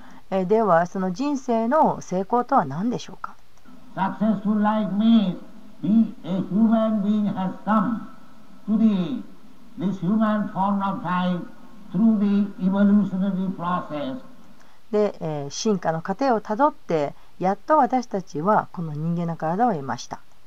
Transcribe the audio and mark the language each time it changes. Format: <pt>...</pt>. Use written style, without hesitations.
<ja>ではその人生の成功とは何でしょうか。</ja> <en>Successful life means a human being has come to this human form of time through the evolutionary process.</en> <ja>で、進化の過程をたどってやっと私たちはこの人間の体を得ました。</ja>